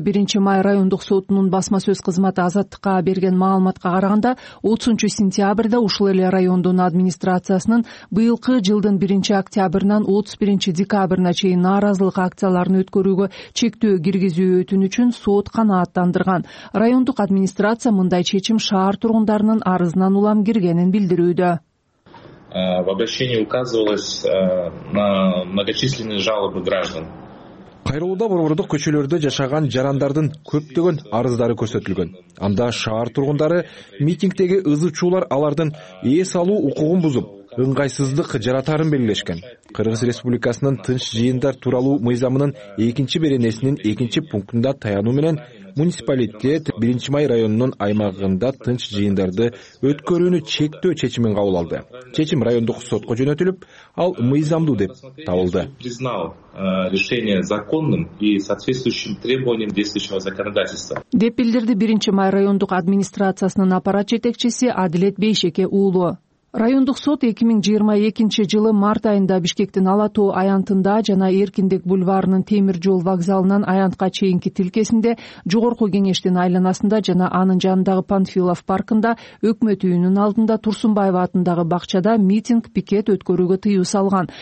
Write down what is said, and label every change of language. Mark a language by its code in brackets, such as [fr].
[ky] 1-май райондук сотунун басма сөз кызматы Азаттыкка берген маалыматка караганда, 30-сентябрда ушул эле райондун администрациясынын быйылкы жылдын 1-октябрынан 31-декабрына чейин нааразылык акцияларын өткөрүүгө чектөө киргизүү өтүнүчүн сот канааттандырган. Райондук администрация мындай чечим шаар тургундарынын арызынан улам киргенин билдирүүдө. [ru] В обращении указывалось на многочисленные жалобы граждан. [ky] Кайрылууда борбордук көчөлөрдө жашаган жарандардын көптөгөн арыздары көрсөтүлгөн. Анда шаар тургундары митингдеги ызычуулар алардын эс алуу укугун бузуп, ыңгайсыздык жаратарын белгилешкен. Кыргыз Республикасынын тынч жыйындар тууралуу мыйзамынын 2-чи беренесинин 2-чи пунктунда таянуу менен муниципалитет 1-май районунун аймагында тынч жыйындарды өткөрүүнү чектөө чечимин кабыл алды. Чечим райондук сотко жөнөтүлүп, ал мыйзамдуу деп табылды. [ru] Признал решение законным и соответствующим требованиям действующего законодательства. [ky] Деп билдирди 1-май райондук администрациясынын аппарат жетекчиси Адилет Бейшеке уулу. Райондук сот 2022 жылы март айында Бишкектин Алатоо аянтында жана Эркиндик бульварынын темир жол вокзалынан аянтка чейинки тилкесинде Жогорку Кеңештин айланасында жана анын жанындагы Панфилов паркында Өкмөт үйүнүн алдында Турсунбаев атындагы бакчада митинг пикет өткөрүүгө тыюу салган.